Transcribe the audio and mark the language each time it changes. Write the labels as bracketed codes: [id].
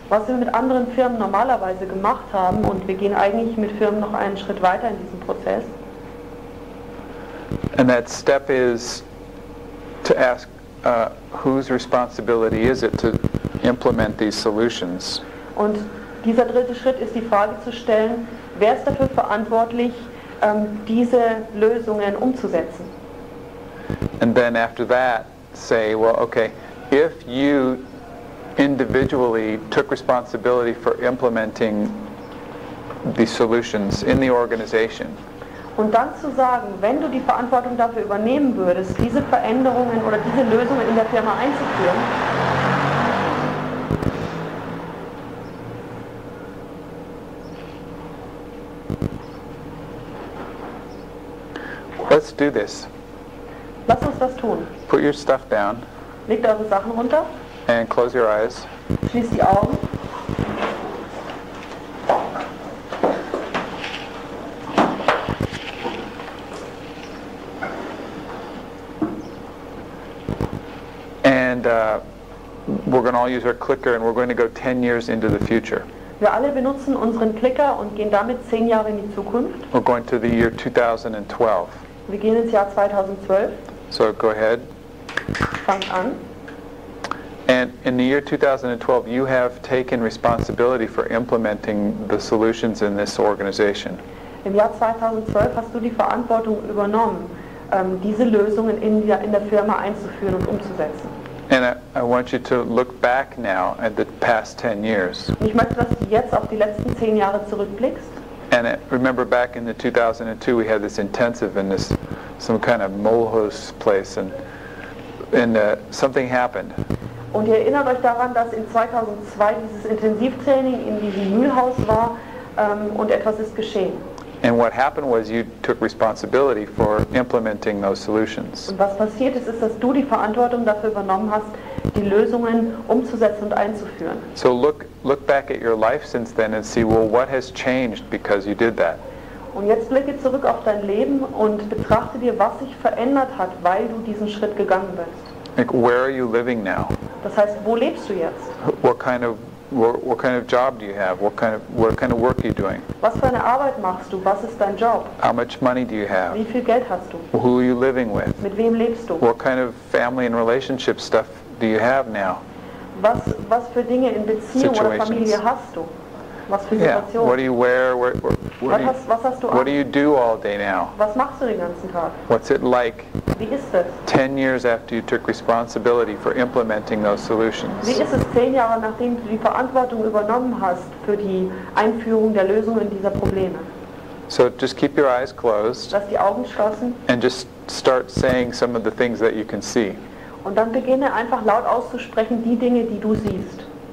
[de] Was wir mit anderen Firmen normalerweise gemacht haben, und wir gehen eigentlich mit Firmen noch einen Schritt weiter in diesem Prozess. [en] And that step is to ask whose responsibility is it to implement these solutions. [de] Und dieser dritte Schritt ist die Frage zu stellen, wer ist dafür verantwortlich, diese Lösungen umzusetzen? [en] And then after that say, well, okay, if you individually took responsibility for implementing the solutions in the organization. [de] Und dann zu sagen, wenn du die Verantwortung dafür übernehmen würdest, diese Veränderungen oder diese Lösungen in der Firma einzuführen. [en] Let's do this. [de] Lass uns das tun. [en] Put your stuff down. [de] Legt eure Sachen runter. [en] And close your eyes. [de] Schließ die Augen. [en] We're going to all use our clicker and we're going to go 10 years into the future. [de] Wir alle benutzen unseren Klicker und gehen damit 10 Jahre in die Zukunft. [en] We're going to the year 2012. [de] Wir gehen ins Jahr 2012. [en] So go ahead. [de] Fangt an. [en] And in the year 2012 you have taken responsibility for implementing the solutions in this organization. [de] Im Jahr 2012 hast du die Verantwortung übernommen, diese Lösungen in der Firma einzuführen und umzusetzen. [en] And I want you to look back now at the past 10 years. [de] Ich möchte, dass du jetzt auf die letzten 10 Jahre zurückblickst. [en] And remember back in the 2002 we had this intensive in this some kind of Mulhouse place and something happened. [de] Und ihr erinnert euch daran, dass in 2002 dieses Intensivtraining in diesem Mühlhaus war und etwas ist geschehen. [en] And what happened was you took responsibility for implementing those solutions. [de] Und was passiert ist, dass du die Verantwortung dafür übernommen hast, die Lösungen umzusetzen und einzuführen. [en] So look back at your life since then and see, well, what has changed because you did that. [de] Und jetzt blicke zurück auf dein Leben und betrachte dir, was sich verändert hat, weil du diesen Schritt gegangen bist. [en] Like, where are you living now? [de] Das heißt, wo lebst du jetzt? [en] What kind of job do you have? What kind of work are you doing? [de] Was für eine Arbeit machst du? Was ist dein Job? [en] How much money do you have? [de] Wie viel Geld hast du? [en] Who are you living with? [de] Mit wem lebst du? [en] What kind of family and relationship stuff do you have now? [de] Was für Dinge in Beziehung oder Familie hast du? Was für Situation? [en] Yeah. What do you wear? What [de] hast du an? [en] What do you do all day now? [de] Was machst du den ganzen Tag? [en] What's it like? [de] Wie ist es? [en] 10 years after you took responsibility for implementing those solutions. [de] Wie ist es 10 Jahre nachdem du die Verantwortung übernommen hast für die Einführung der Lösungen dieser Probleme? [en] So just keep your eyes closed. [de] Lass die Augen schlossen. [en] And just start saying some of the things that you can see. [de] Und dann beginne einfach laut auszusprechen die Dinge, die du siehst.